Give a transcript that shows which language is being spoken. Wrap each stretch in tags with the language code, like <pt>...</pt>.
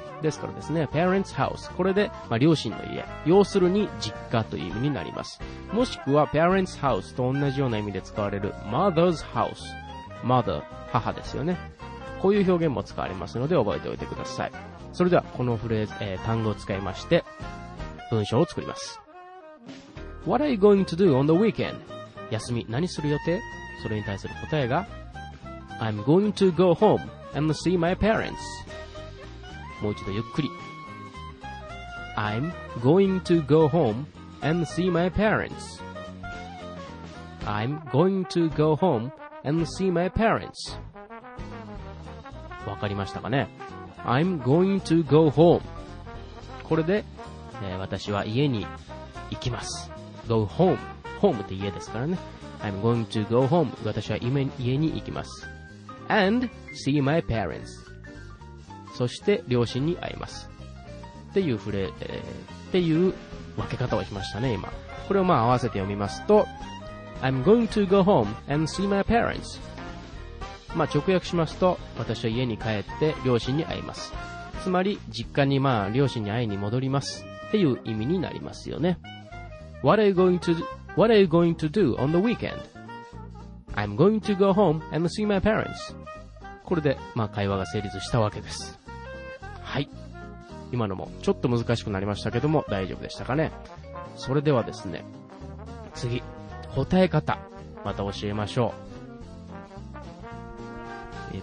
<ja>ですからですね、</ja> <en>parents house、</en> <ja>これで、まあ、両親の家、要するに実家という意味になります。もしくは</ja> <en>parents house</en> <ja>と同じような意味で使われる</ja> <en>mother's house、</en> <ja>mother、 母ですよね。こういう表現も使われますので覚えておいてください。それではこのフレーズ、単語を使いまして文章を作ります。</ja> <en>What are you going to do on the weekend?</en> <ja>休み何する予定？それに対する答えが</ja> <en>I'm going to go home and see my parents.</en> <ja>もう一度ゆっくり。</ja> <en>I'm going to go home and see my parents. I'm going to go home and see my parents.</en> <ja>わかりましたかね。</ja> <en>I'm going to go home。</en> <ja>これで、私は家に行きます。 go home、 home って家ですからね。</ja> <en>I'm going to go home、</en> <ja>私は家に行きます。</ja> <en>and see my parents、</en> <ja>そして両親に会いますっていうフレ、っていう分け方をしましたね。今これをまあ合わせて読みますと</ja> <en>I'm going to go home and see my parents。</en> <ja>まあ直訳しますと、私は家に帰って両親に会います。つまり、実家にまあ両親に会いに戻りますっていう意味になりますよね。</ja> <en>What are you going to do on the weekend? I'm going to go home and see my parents.</en> <ja>これでまあ会話が成立したわけです。はい。今のもちょっと難しくなりましたけども、大丈夫でしたかね。それではですね、次、答え方、また教えましょう。</ja>